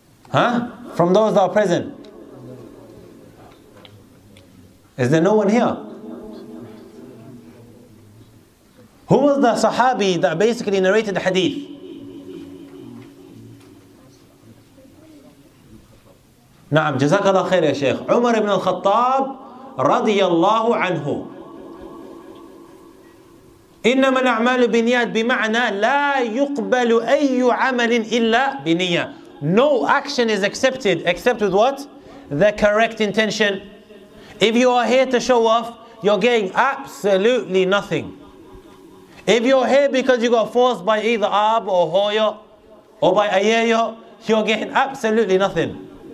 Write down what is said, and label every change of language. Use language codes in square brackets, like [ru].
[en] Huh? From those that are present. Is there no one here? Who was the sahabi that basically narrated the hadith? [ar] نعم جزاك الله خير يا شيخ عمر بن الخطاب رضي الله عنه إنما الأعمال بنيات بمعنى لا يقبل أي عمل إلا بنية. [en] No action is accepted except with what? The correct intention. If you are here to show off, you're getting absolutely nothing. If you're here because you got forced by either Ab or Hoyo or by Ayeyo, you're getting absolutely nothing.